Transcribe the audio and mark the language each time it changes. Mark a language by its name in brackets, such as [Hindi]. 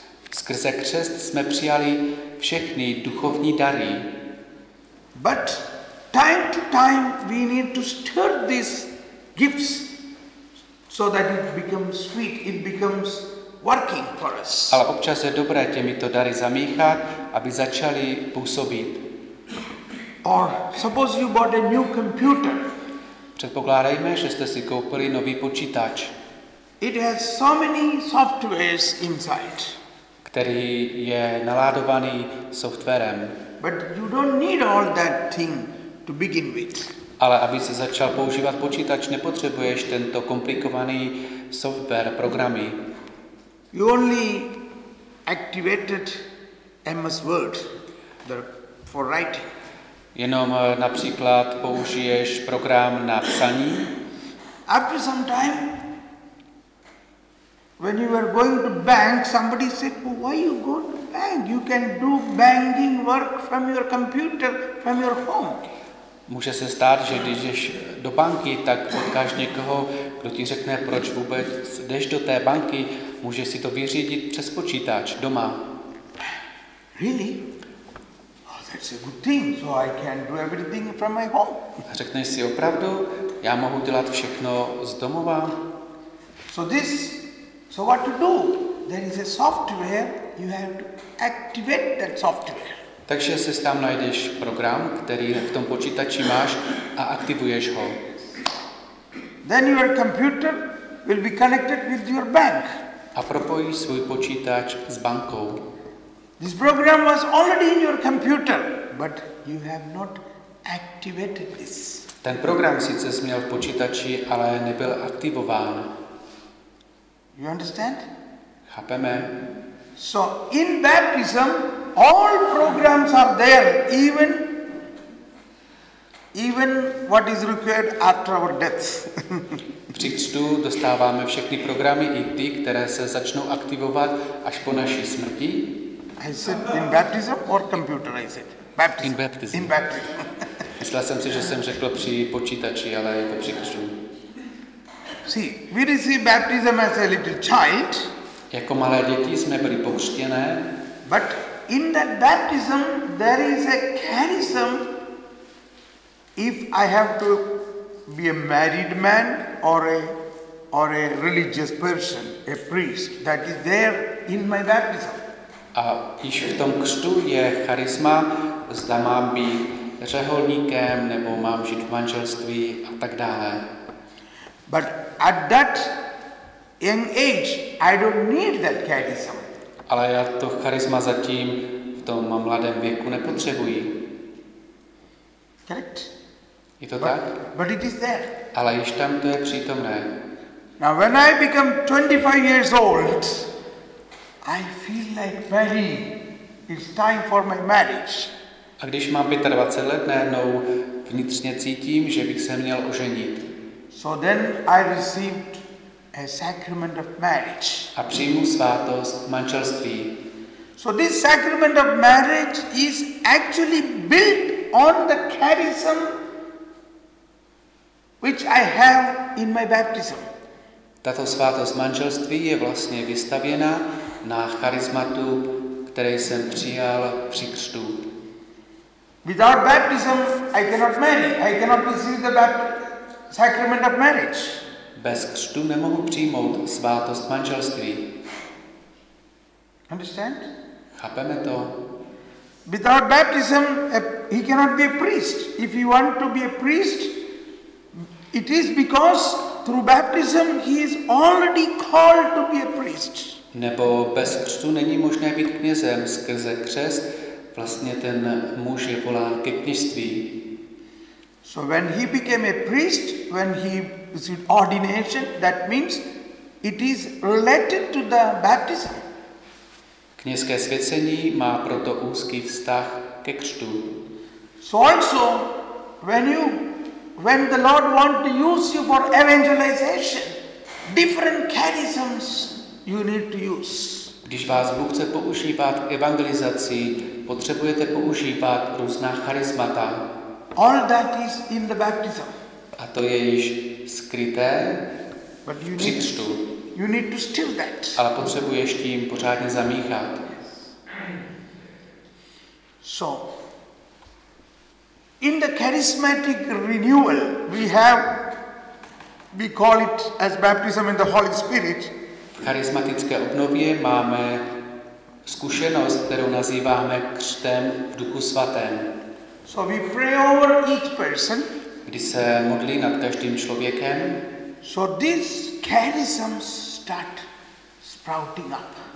[Czech] Skrze křest jsme přijali všechny duchovní dary. [English] But time to time we need to stir these gifts so that it becomes sweet, it becomes working for us. [Czech] Ale občas je dobré těmito dary zamíchat, aby začaly působit. [English] Or suppose you bought a new computer. [Czech] Předpokládejme, že jste si koupili nový počítač. [English] It has so many softwares inside. [Czech] Který je naládovaný softwarem. [English] But you don't need all that thing to begin with. [Czech] Ale aby se začal používat počítač, nepotřebuješ tento komplikovaný software, programy. [English] You only activated MS Word for writing. [Czech] Jenom například použiješ program na psaní. [English] After some time, when you were going to bank, somebody said, "Why you go to bank. You can do banking work from your computer, from your home. [Czech] Může se stát, že když jdeš do banky, tak potkáš někoho, kdo ti řekne, proč vůbec jdeš do té banky, můžeš si to vyřídit přes počítač doma. [English] Really? Oh, that's a good thing. So I can do everything from my home. [Czech] Řekneš si opravdu, já mohu dělat všechno z domova. [English] So what to do? There is a software, you have to activate that software. [Czech] Takže si tam najdeš program, který v tom počítači máš a aktivuješ ho. [English] Then your computer will be connected with your bank. [Czech] A propojíš svůj počítač s bankou. [English] This program was already in your computer, but you have not activated this. [Czech] Ten program sice měl v počítači, ale nebyl aktivován. [English] You understand? [Czech] Chápeme. [English] So in baptism all programs are there, even what is required after our death. [Czech] Při křtu dostáváme všechny programy i ty, které se začnou aktivovat až po naší smrti. [English] I said in baptism or computer, I said baptism. In baptism. In baptism. [Czech] Myslel jsem si, že jsem řekl při počítači, ale je to při křtu. [English] See, we receive baptism as a little child. [Czech] Jako malé děti jsme byli pokřtěné. [English] But in that baptism there is a charism. If I have to be a married man or a religious person, a priest, that is there in my baptism. [Czech] A když v tom křtu je charisma, zda mám být řeholníkem nebo mám žít v manželství a tak dále. [English] But at that young age, I don't need that charism. [Czech] Ale já to charisma zatím v tom mladém věku nepotřebuji. [English] Correct. [Czech] Je to tak? [English] But it is there. [Czech] Ale již tam to je přítomné. [English] Now when I become 25 years old, I feel like Mary. It's time for my marriage. [Czech] A když mám 25 let, najednou vnitřně cítím, že bych se měl oženit. [English] So then I received a sacrament of marriage. [Czech] A přijmu svátost manželství. [English] So this sacrament of marriage is actually built on the charism which I have in my baptism. [Czech] Tato svátost manželství je vlastně vystavěna na charismatu, který jsem přijal při křtu. [English] Without baptism I cannot marry. I cannot receive the sacrament of marriage. [Czech] Bez křtu nemohu přijmout svátost manželství. [English] Understand? [Czech] Chápeme to. [English] Without baptism he cannot be a priest. If he want to be a priest, it is because through baptism he is already called to be a priest. [Czech] Nebo bez křtu není možné být knězem. Skrze křest vlastně ten muž je volán ke kněžství. [English] So when he became a priest, when he received ordination, that means it is related to the baptism. [Czech] Kněžské svěcení má proto úzký vztah ke křtu. [English] So also when the Lord want to use you for evangelization, different charisms you need to use. [Czech] Když vás Bůh chce používat k evangelizaci, potřebujete používat různá charismata. [English] All that is in the baptism. [Czech] A to je již skryté při křtu. [English] You need to steal that. [Czech] Ale potřebuješ tím pořádně zamíchat. [English] So in the charismatic renewal we call it as baptism in the Holy Spirit. [Czech] V charismatické obnově máme zkušenost, kterou nazýváme křtem v Duchu svatém. [English] So we pray over each person. [Czech] Když se modlí nad každým člověkem, [English] so these charisms start sprouting up.